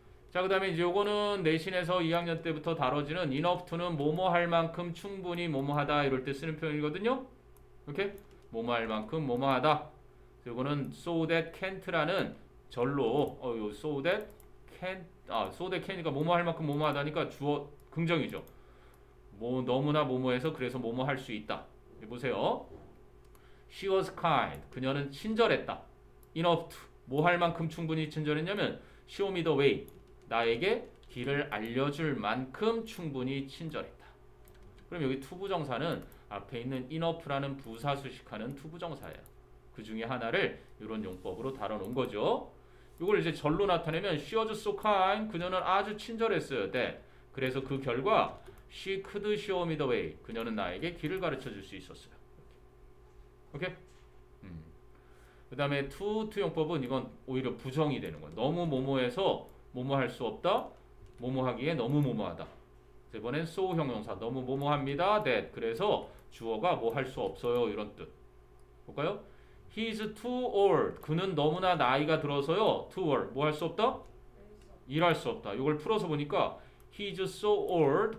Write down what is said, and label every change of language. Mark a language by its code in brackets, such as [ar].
[ko] 자, 그 다음에 이제 요거는 내신에서 2학년 때부터 다뤄지는 enough to는 뭐뭐 할 만큼 충분히 뭐뭐하다 이럴 때 쓰는 표현이거든요. 이렇게. 뭐뭐 할 만큼 뭐뭐하다. 이거는 so that can't라는 절로 so that can so that can이니까 뭐뭐 할 만큼 뭐뭐 하다니까 주어 긍정이죠. 뭐 너무나 뭐뭐해서 그래서 뭐뭐 할수 있다. 보세요. [en] She was kind. [ko] 그녀는 친절했다. [en] Enough to [ko] 뭐할 만큼 충분히 친절했냐면 [en] show me the way. [ko] 나에게 길을 알려줄 만큼 충분히 친절했다. 그럼 여기 to 부정사는 앞에 있는 enough라는 부사 수식하는 to 부정사예요. 그 중에 하나를 이런 용법으로 다뤄놓은 거죠. 이걸 이제 절로 나타내면 [en] she was so kind. [ko] 그녀는 아주 친절했어요. 네. 그래서 그 결과 [en] she could show me the way. [ko] 그녀는 나에게 길을 가르쳐 줄수 있었어요. 오케이? 그 다음에 to 용법은 이건 오히려 부정이 되는 거예요. 너무 뭐뭐해서 뭐뭐 할수 없다. 뭐뭐 하기에 너무 뭐뭐하다. 세 번엔 so 형용사. 너무 뭐뭐합니다. That. 그래서 주어가 뭐할수 없어요. 이런 뜻. 볼까요? [en] He is too old. [ko] 그는 너무나 나이가 들어서요. [en] Too old. [ko] 뭐할수 없다? 일할 수 없다. 이걸 풀어서 보니까 [en] He is so old.